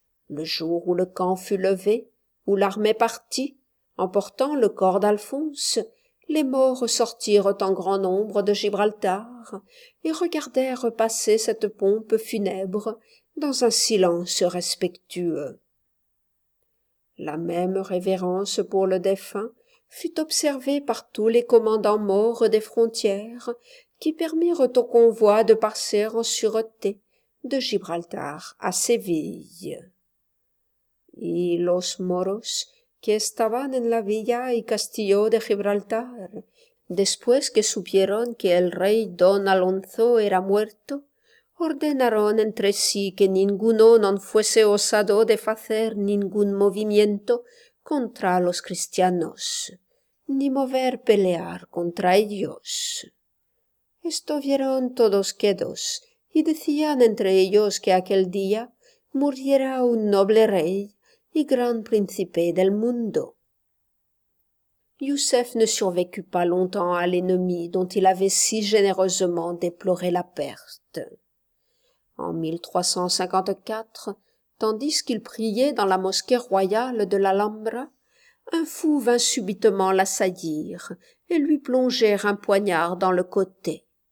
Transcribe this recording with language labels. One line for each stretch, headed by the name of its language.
French: Le jour où le camp fut levé, où l'armée partit, emportant le corps d'Alphonse, les morts sortirent en grand nombre de Gibraltar et regardèrent passer cette pompe funèbre dans un silence respectueux. La même révérence pour le défunt fut observée par tous les commandants maures des frontières qui permirent au convoi de passer en sûreté de Gibraltar à Séville.
Spanish: Y los moros que estaban en la villa y castillo de Gibraltar, después que supieron que el rey don Alonso era muerto, ordenaron entre sí que ninguno non fuese osado de facer ningún movimiento contra los cristianos, ni mover pelear contra ellos. Estuvieron todos quedos, y decían entre ellos que aquel día muriera un noble rey y gran príncipe del mundo.
French: Youssef ne survécut pas longtemps à l'ennemi dont il avait si généreusement déploré la perte. En 1354, tandis qu'il priait dans la mosquée royale de l'Alhambra, un fou vint subitement l'assaillir et lui plonger un poignard dans le côté.